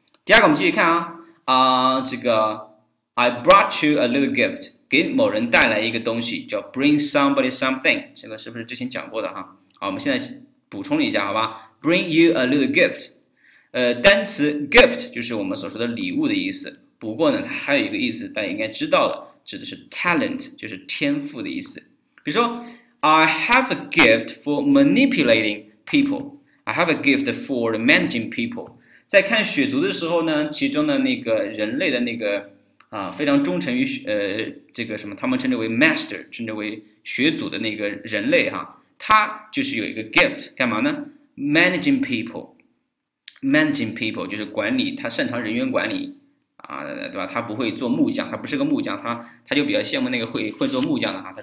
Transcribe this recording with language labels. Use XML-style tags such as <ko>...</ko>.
<zh>第二个，我们继续看啊，这个</zh> <en>I brought you a little gift，</en> <zh>给某人带来一个东西，叫</zh> <en>bring somebody something。</en> <zh>这个是不是之前讲过的哈？好，我们现在补充一下，好吧？</zh> <en>Bring you a little gift，</en> <zh>单词 gift 就是我们所说的礼物的意思。不过呢，它还有一个意思，大家应该知道的，指的是 talent，就是天赋的意思。</zh> <en>比如说，I have a gift for manipulating people. I have a gift for managing people.</en> <zh>在看血族的时候呢，其中的那个人类的那个非常忠诚于这个什么，他们称之为 master，称之为血族的那个人类哈。他就是有一个 gift，干嘛呢？</zh> <en>Managing people</en> <zh>就是管理，他擅长人员管理啊，对吧？他不会做木匠，他不是个木匠，他就比较羡慕那个会做木匠的哈。</zh>